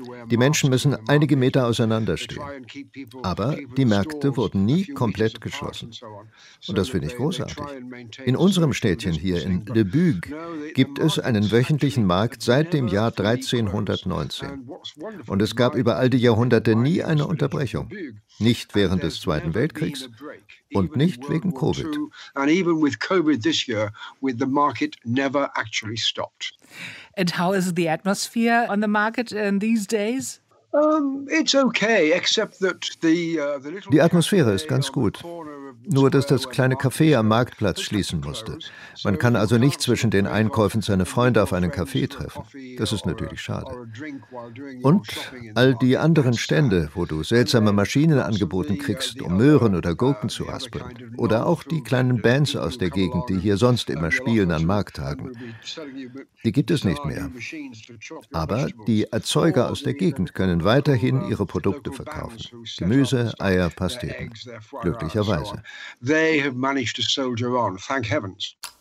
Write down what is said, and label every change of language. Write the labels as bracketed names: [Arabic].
[German] Die Menschen müssen einige Meter auseinanderstehen. Aber die Märkte wurden nie komplett geschlossen. Und das finde ich großartig. In unserem Städtchen hier in Le Bug gibt es einen wöchentlichen Markt seit dem Jahr 1319. Und es gab über all die Jahrhunderte nie eine Unterbrechung. Nicht während des Zweiten Weltkriegs und nicht wegen Covid. [English] And even with Covid this year, with the market never actually stopped. And how is the atmosphere on the market in these days? It's okay, except that [German] die Atmosphäre ist ganz gut. Nur, dass das kleine Café am Marktplatz schließen musste. Man kann also nicht zwischen den Einkäufen seine Freunde auf einen Kaffee treffen. Das ist natürlich schade. Und all die anderen Stände, wo du seltsame Maschinen angeboten kriegst, um Möhren oder Gurken zu raspeln. Oder auch die kleinen Bands aus der Gegend, die hier sonst immer spielen an Markttagen. Die gibt es nicht mehr. Aber die Erzeuger aus der Gegend können weiterhin ihre Produkte verkaufen. Gemüse, Eier, Pasteten. Glücklicherweise. [English] They have managed to soldier on, thank heavens.